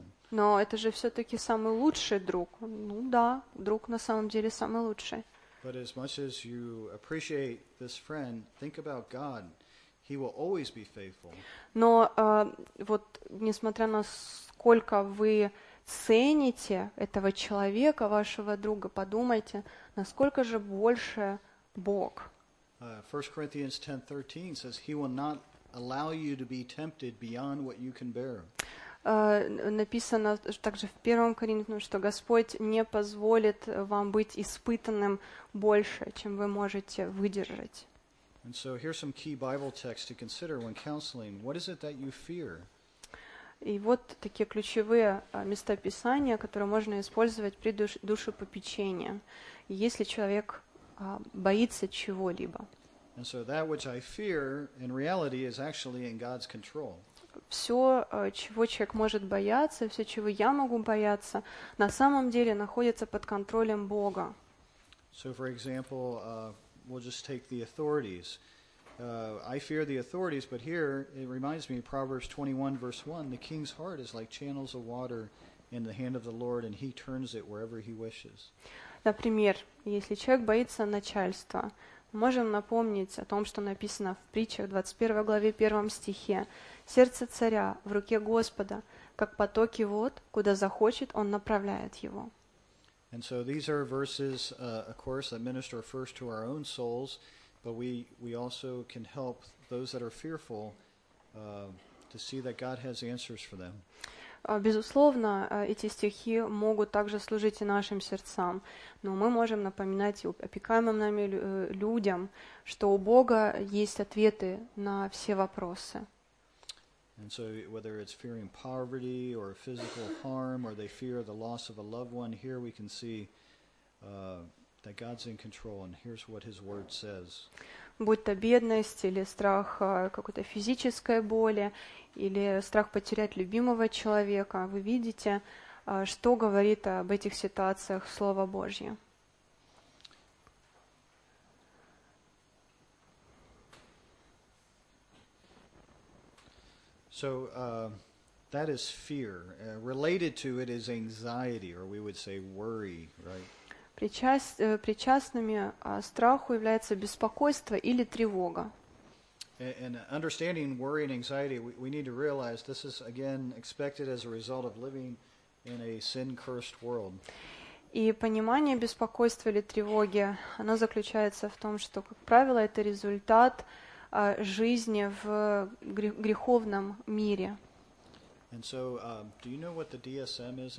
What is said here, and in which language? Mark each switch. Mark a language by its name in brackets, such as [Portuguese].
[Russian] Но это же все-таки самый лучший друг. Ну да, друг на самом деле самый лучший. [English] But as much as you appreciate this friend, think about God. He will always be faithful. [Russian] Но вот несмотря на сколько вы цените этого человека, вашего друга, подумайте, насколько же больше Бог. [English] 1 Corinthians 10:13 says he will not allow you to be tempted beyond what you can bear. [Russian] написано также в 1 Коринфянам, что Господь не позволит вам быть испытанным больше, чем вы можете выдержать. [English] And so here's some key Bible texts to consider when counseling. What is it that you fear? [Russian] И вот такие ключевые места Писания, которые можно использовать при душепопечении, если человек боится чего-либо. [English] And so that which I fear in reality is actually in God's control. [Russian] Все, чего человек может бояться, все, чего я могу бояться, на самом деле находится под контролем Бога. [English] So, for example, we'll just take the authorities. I fear the authorities, but here it reminds me of Proverbs 21, verse 1. The king's heart is like channels of water in the hand of the Lord, and he turns it wherever he wishes. [Russian] Например, если человек боится начальства, можем напомнить о том, что написано в притчах 21 главе 1 стихе. Сердце царя в руке Господа, как потоки вод, куда захочет, он направляет его. [English] And so these are verses, of course, that minister first to our own souls, but we also can help those that are fearful to see that God has answers for them. [Russian] Безусловно, эти стихи могут также служить и нашим сердцам, но мы можем напоминать и опекаемым нами людям, что у Бога есть ответы на все вопросы. [English] And so whether it's fearing poverty or physical harm or they fear the loss of a loved one, here we can see that God's in control and here's what his word says. [Russian] Будь то бедность или страх какой-то физической боли или страх потерять любимого человека, вы видите, что говорит об этих ситуациях Слово Божье. [English] So that is fear. Related to it is anxiety, or we would say worry, right? [Russian] Причастными страху является беспокойство или тревога. [English] And understanding worry and anxiety, we need to realize this is again expected as a result of living in a sin-cursed world. [Russian] И понимание беспокойства или тревоги, оно заключается в том, что, как правило, это результат жизни в греховном мире. [English] And so, do you know what the DSM is?